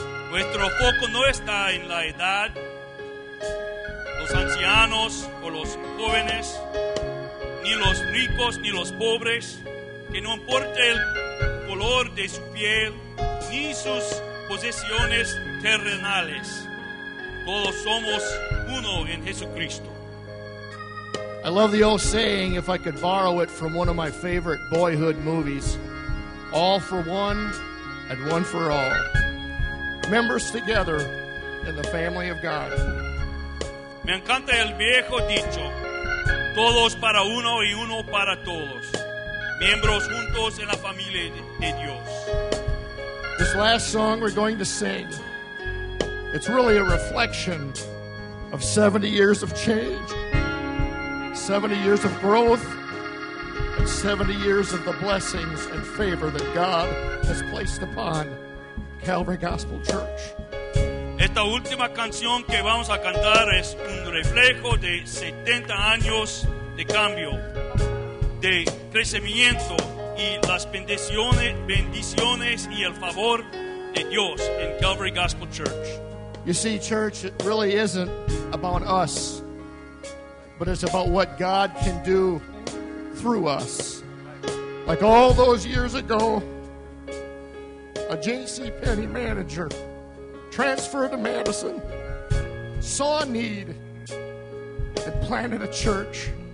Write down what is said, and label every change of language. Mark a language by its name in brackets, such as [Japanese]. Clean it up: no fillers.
[Spanish] Nuestro foco no está en la edad, los ancianos o los jóvenes, ni los ricos ni los pobres, que no importa el color de su piel, ni sus posesiones terrenales. Todos somos uno en Jesucristo. [English] I love the old saying, if I could borrow it from one of my favorite boyhood movies, all for one and one for all. Members together in the family of God. [Spanish] Me encanta el viejo dicho, todos para uno y uno para todos. Miembros juntos en la familia de Dios. [English] This last song we're going to sing, it's really a reflection of 70 years of change, 70 years of growth, and 70 years of the blessings and favor that God has placed upon Calvary Gospel Church. [Spanish] Esta última canción que vamos a cantar es un reflejo de 70 años de cambio, de crecimiento, y las bendiciones y el favor de Dios en Calvary Gospel Church. [English] You see, church, it really isn't about us, but it's about what God can do through us. Like all those years ago, a JCPenney manager transferred to Madison, saw a need, and planted a church.